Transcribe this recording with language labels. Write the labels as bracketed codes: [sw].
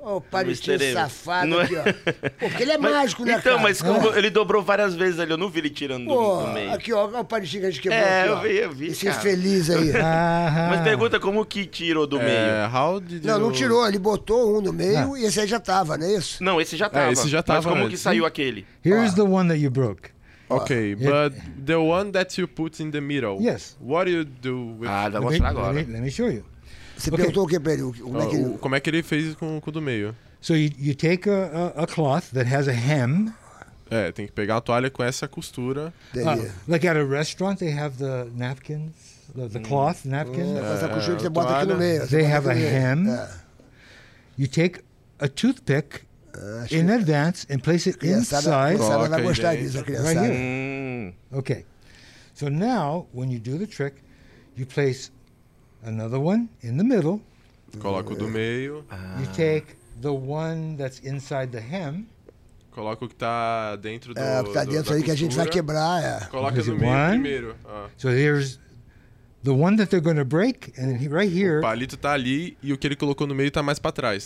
[pt] Ô, palitinho safado aqui, ó. Porque ele é mágico, né, cara? Então, mas ele dobrou várias vezes ali, eu não vi ele tirando do meio. Aqui, ó, o palitinho que a gente quebrou aqui, ó. Eu vi, esse infeliz aí. Mas pergunta como que tirou do meio? Não tirou, ele botou um no meio e esse aí já tava, não é isso? Não, esse já tava. Esse já tava. Mas como que saiu aquele? [en] Here's the one that you broke. Okay, but the one that you put in the middle. Yes. What do you do with it? [pt] Ah, vou mostrar agora. [en] Let me show you. [pt] Você perguntou o que pra ele? Como é que ele fez com o do meio? [en] So you take a cloth that has a hem. [pt] É, tem que pegar a toalha com essa costura. [en] Like at a restaurant, they have the napkins, the cloth napkin. [pt] Essa costura que você bota aqui no meio. [en] They have a hem. You take a toothpick. In advance and place it inside. [pt] Vai gostar disso, a criança. [en] Right here. Okay. So now, when you do the trick, you place another one in the middle. [pt] Coloca o do meio. [en] You take the one that's inside the hem. [pt] Coloca o que tá dentro do... O que tá dentro aí que a gente vai quebrar, Coloca no meio primeiro. [en] So here's the one that they're going to break, and right here... [pt] O palito tá ali, e o que ele colocou no meio tá mais para trás.